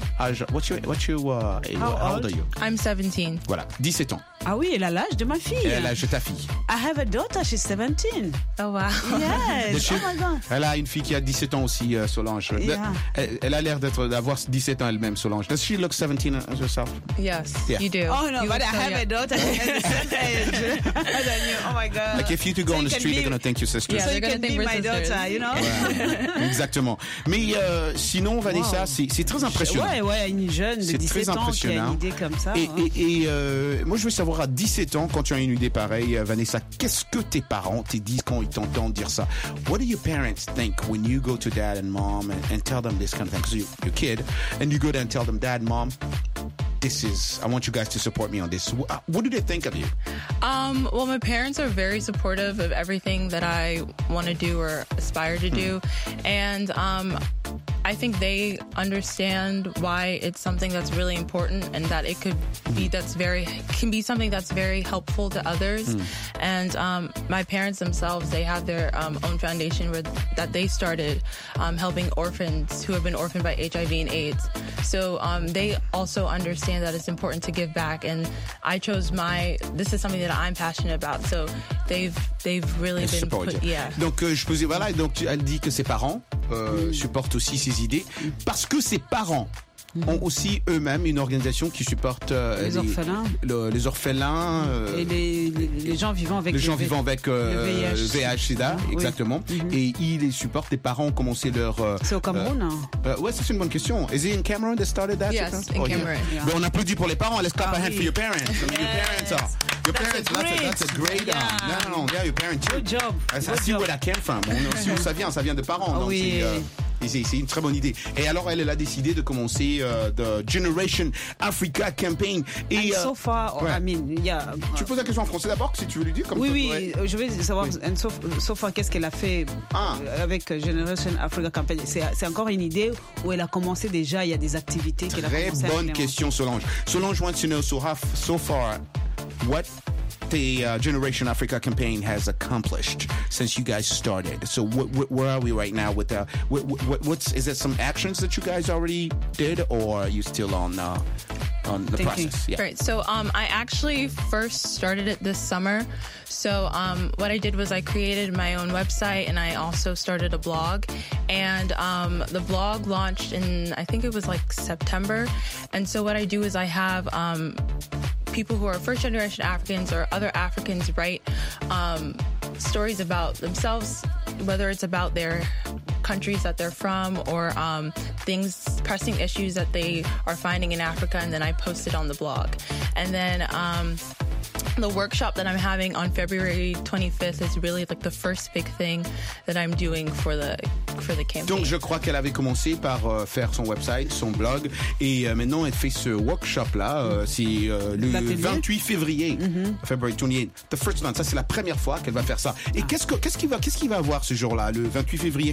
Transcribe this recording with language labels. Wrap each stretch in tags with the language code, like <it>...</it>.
<en>âge, how old are you? I'm 17.</en> <fr>Voilà, 17 ans. Ah oui, elle a l'âge de ma fille. Elle a l'âge de ta fille.</fr> <en>I have a daughter, she's 17. Oh wow. Yes. Oh my god.</en> <fr>Elle a une fille qui a 17 ans aussi, Solange.</fr> <en>Yeah.</en> <fr>Elle a l'air d'être, d'avoir 17 ans elle-même, Solange.</fr> <en>Does she look 17 herself? Yes, yeah. You do. Oh no, you but I have a daughter at the same age. And then you, oh my god. Like if you two go so on the street, they're going to think you're sisters. Yeah, so they're going to think we're sisters. Daughter, you know?</en> <fr>Ouais. Exactement. Mais sinon, Vanessa, wow. c'est très impressionnant. Ouais, ouais, une jeune de 17 ans qui a une idée comme ça. Et moi, je veux savoir, à 17 ans, quand tu as une idée pareille, Vanessa, qu'est-ce que tes parents te disent quand ils t'entendent dire ça?</fr> <en>What do your parents think when you go to dad and mom and tell them this kind of thing? Because you're a kid, and you go there and tell them, dad, mom, this is, I want you guys to support me on this. What do they think of you? Well, my parents are very supportive of everything that I want to do or aspire to do. And I think they understand why it's something that's really important and that it could be something that's very helpful to others. And my parents themselves, they have their own foundation that they started helping orphans who have been orphaned by HIV and AIDS. So they also understand that it's important to give back. And I chose this is something that I'm passionate about. So they've really been</en> <fr>Donc je posais, voilà, donc elle dit que ses parents supportent aussi ses idées parce que ses parents ont aussi eux-mêmes une organisation qui supporte les orphelins et les gens vivant avec le VIH/SIDA, exactement. Oui. Mm-hmm. Et ils les supportent. Les parents ont commencé leur c'est au Cameroun. Ouais, c'est une bonne question.</fr> <en>Is it in Cameroon they started that? Yes, in Cameroon. Yeah.</en> <fr>Ben, on applaudit pour les parents.</fr> <en>Let's clap a hand for your parents. Yes. Your parents are. Your parents, that's a great yeah. No, yeah, your parents. Good job. That's good job. Where that came from.</en> <fr>Si où ça vient de parents. Oui. C'est une très bonne idée. Et alors, elle a décidé de commencer The Generation Africa Campaign. Et</fr> <en>so far, ouais. I mean, yeah.</en> <fr>Tu poses la question en français d'abord, si tu veux lui dire. Comme oui, je veux savoir, oui.</fr> <en>And so far,</en> <fr>qu'est-ce qu'elle a fait avec Generation Africa Campaign? C'est encore une idée où elle a commencé déjà, il y a des activités qu'elle a commencé. Très bonne question, Solange.</fr> <en>Solange wants to know, so far, what the Generation Africa campaign has accomplished since you guys started. So where are we right now with what's is there some actions that you guys already did, or are you still on the thinking process? Yeah. Right. So I actually first started it this summer. So what I did was I created my own website and I also started a blog. And the blog launched in, I think it was like September. And so what I do is I have people who are first generation Africans or other Africans write stories about themselves, whether it's about their countries that they're from or things, pressing issues that they are finding in Africa, and then I post it on the blog. And then the workshop that I'm having on February 25th is really like the first big thing that I'm doing for the campaign.</en> <fr>Donc je crois qu'elle avait commencé par faire son website, son blog, et maintenant elle fait ce workshop là. C'est le 28 février, mm-hmm.</fr> <en>February 28th. The first one.</en> <fr>Ça c'est la première fois qu'elle va faire ça. Et qu'est-ce qu'il va avoir ce jour-là, le 28 février?</fr>